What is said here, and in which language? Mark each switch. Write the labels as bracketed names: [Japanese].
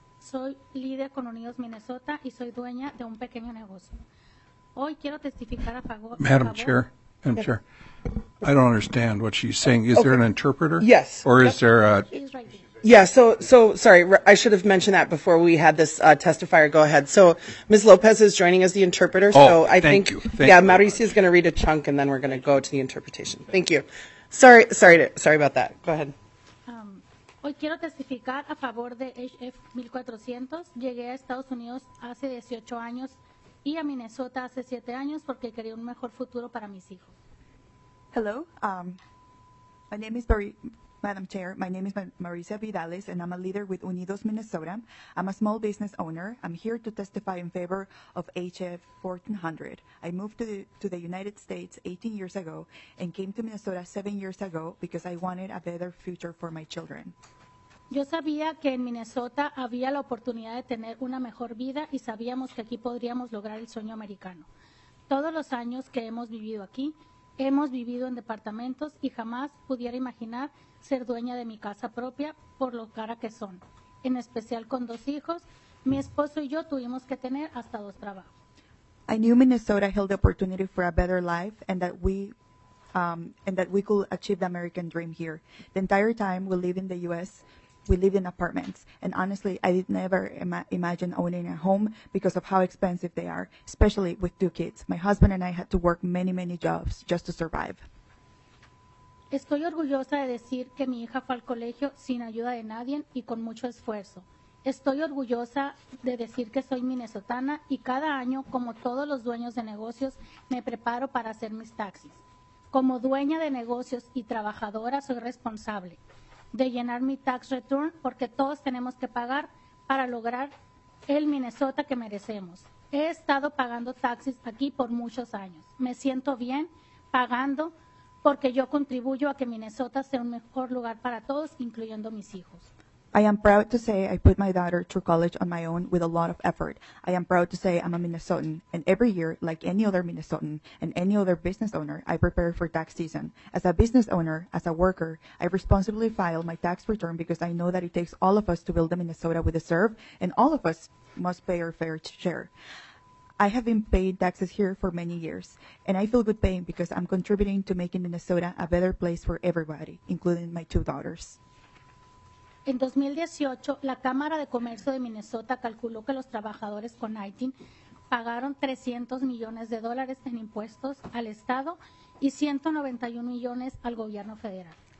[Spanish] Soy líder con Unidos Minnesota y soy dueña de un pequeño negocio. Hoy quiero testificar a favor. [English] Madam Chair, I don't understand what she's saying. Is there an interpreter? Yes. Or is there a... She's right here. Yeah, so sorry, I should have mentioned that before we had this testifier go ahead. So Ms. Lopez is joining as the interpreter. Oh, so I thank you. Mauricio is going to read a chunk and then we're going to go to the interpretation. Thank you. Sorry about that. Go ahead. [Spanish] Hoy quiero testificar a favor de HF 1400. Llegué a Estados Unidos hace 18 años y a Minnesota hace 7 años porque quería un mejor futuro para mis hijos. [English] Hello. My name is Madam Chair. My name is Mauricia Vidales, and I'm a leader with Unidos Minnesota. I'm a small business owner. I'm here to testify in favor of HF 1400. I moved to the United States 18 years ago and came to Minnesota 7 years ago because I wanted a better future for my children. [Spanish] Yo sabía que en Minnesota había la oportunidad de tener una mejor vida y sabíamos que aquí podríamos lograr el sueño americano. Todos los años que hemos vivido aquí, hemos vivido en departamentos y jamás pudiera imaginar ser dueña de mi casa propia por lo cara que son, en especial con dos hijos. Mi esposo y yo tuvimos que tener hasta dos trabajos. [English] I knew Minnesota held the opportunity for a better life and that we could achieve the American dream here. The entire time we live in the U.S., we live in apartments, and honestly, I did never imagine owning a home because of how expensive they are, especially with two kids. My husband and I had to work many, many jobs just to survive. [Spanish] Estoy orgullosa de decir que mi hija fue al colegio sin ayuda de nadie y con mucho esfuerzo. Estoy orgullosa de decir que soy minnesotana y cada año, como todos los dueños de negocios, me preparo para hacer mis taxes. Como dueña de negocios y trabajadora, soy responsable de llenar mi tax return porque todos tenemos que pagar para lograr el Minnesota que merecemos. He estado pagando taxes aquí por muchos años. Me siento bien pagando porque yo contribuyo a que Minnesota sea un mejor lugar para todos, incluyendo mis hijos. [English] I am proud to say I put my daughter through college on my own with a lot of effort. I am proud to say I'm a Minnesotan, and every year, like any other Minnesotan and any other business owner, I prepare for tax season. As a business owner, as a worker, I responsibly file my tax return because I know that it takes all of us to build the Minnesota we deserve, and all of us must pay our fair share. I have been paying taxes here for many years, and I feel good paying because I'm contributing to making Minnesota a better place for everybody, including my two daughters. [Spanish] En 2018, la Cámara de Comercio de Minnesota calculó que los trabajadores con ITIN pagaron $300 millones en impuestos al Estado y $191 millones al gobierno federal.